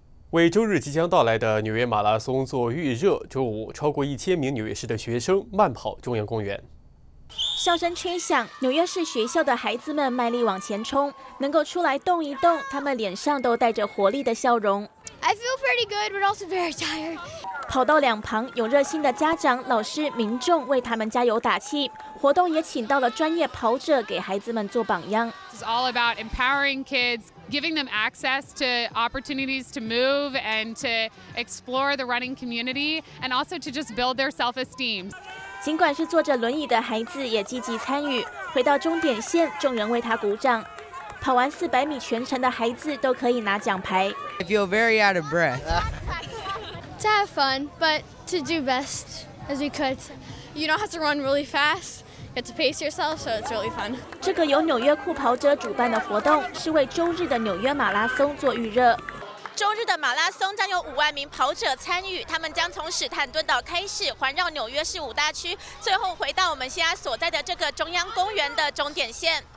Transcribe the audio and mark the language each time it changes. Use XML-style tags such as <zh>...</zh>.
<zh>为周日即将到来的纽约马拉松做预热，周五超过1000名纽约市的学生慢跑中央公园。笑声吹响，纽约市学校的孩子们卖力往前冲，能够出来动一动，他们脸上都带着活力的笑容。</zh> <en>I feel pretty good, but also very tired.</en> <zh>跑道两旁有热心的家长、老师、民众为他们加油打气。活动也请到了专业跑者给孩子们做榜样。</zh> <en>It's all about empowering kids, giving them access to opportunities to move and to explore the running community, and also to just build their self-esteem.</en> <zh>尽管是坐着轮椅的孩子也积极参与。回到终点线，众人为他鼓掌。跑完400米全程的孩子都可以拿奖牌。</zh> <en>I feel very out of breath. To have fun, but to do best as we could. You don't have to run really fast. You have to pace yourself, so it's really fun.</en> <zh>这个由纽约酷跑者主办的活动是为周日的纽约马拉松做预热。周日的马拉松将有50000名跑者参与，他们将从史坦顿岛开始，环绕纽约市5大区，最后回到我们现在所在的这个中央公园的终点线。</zh>